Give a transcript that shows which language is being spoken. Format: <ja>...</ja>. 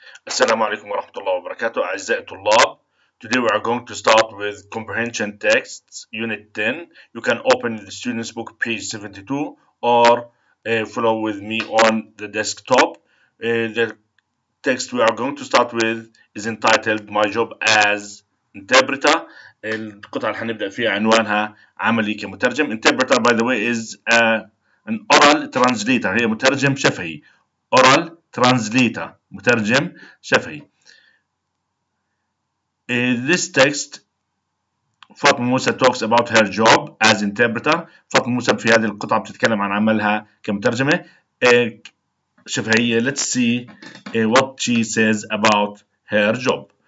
<ar>السلام عليكم ورحمة الله وبركاته أعزائي الطلاب.</ar> <en>Today we are going to start with comprehension texts unit 10. You can open the student's book page 72 or follow with me on the desktop. The text we are going to start with is entitled My Job as Interpreter.</en> <ar>القطعة اللي هنبدأ فيها عنوانها عملي كمترجم.</ar> <en>Interpreter by the way is an oral translator.</en> <ar>هي مترجم شفهي.</ar> <en>Oral translator,</en> <ar>مترجم شفهي.</ar> <en>This text, Fatma Musa talks about her job as interpreter.</en> <ar>Fatma Musa في هذه القطعة بتتكلم عن عملها كمترجمة شفهية.</ar> <en>Let's see what she says about her job.</en>